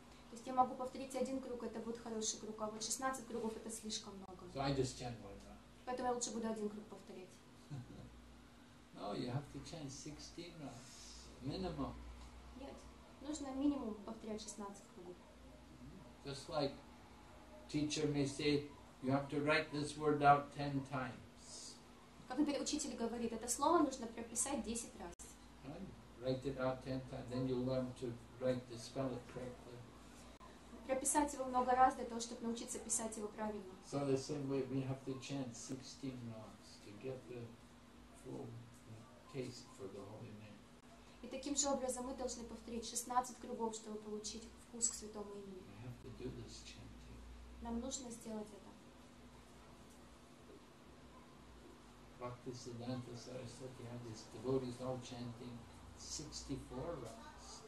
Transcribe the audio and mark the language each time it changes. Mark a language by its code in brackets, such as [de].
[ru] То есть я могу повторить один круг, это будет хороший круг, а вот 16 кругов это слишком много. [en] So I just chant one round. [ru] Поэтому я лучше буду один круг повторять. [en] No, you have to chant 16 rounds, minimum. [ru] Нет, нужно минимум повторять 16 кругов. [en] Just like teacher may say, you have to write this word out 10 times. [ru] Как например, учитель говорит, это слово нужно прописать 10 раз. [en] Right. Write it out 10 times, then you learn to write the spell it correctly. [ru] Прописать его много раз для того, чтобы научиться писать его правильно. [en] So the same way we have to chant 16 rounds to get the full taste for the Holy Name. [ru] И таким же образом мы должны повторить 16 кругов, чтобы получить вкус к Святому Имени. [en] We have to do this chanting. [ru] Нам нужно сделать это. [en] Bhaktisiddhanta Sarasvati had his devotees all chanting 64 rounds.